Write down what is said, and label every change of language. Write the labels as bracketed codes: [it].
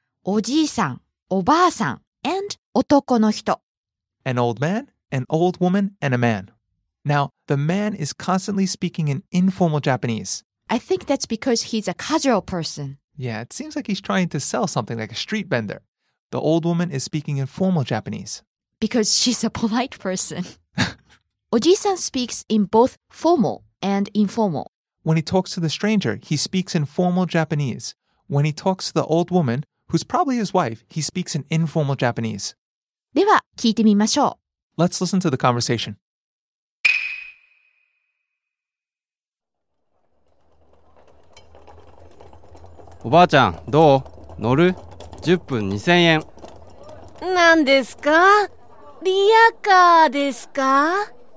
[ja] おじいさん、おばあさん、and 男の人。 [en] An old man, an old woman, and a man. Now, the man is constantly speaking in informal Japanese. I think that's because he's a casual person. Yeah, it seems like he's trying to sell something like a street vendor. The old woman is speaking in formal Japanese. Because she's a polite person. Oji-san speaks in both formal and informal. When he talks to the stranger, he speaks in formal Japanese. When he talks to the old woman, who's probably his wife, he speaks in informal Japanese. [ja] では聞いてみましょう。 [en] Let's listen to the conversation. [ja] おばあちゃん、どう？乗る？10分2000円。何ですか？リアカーですか？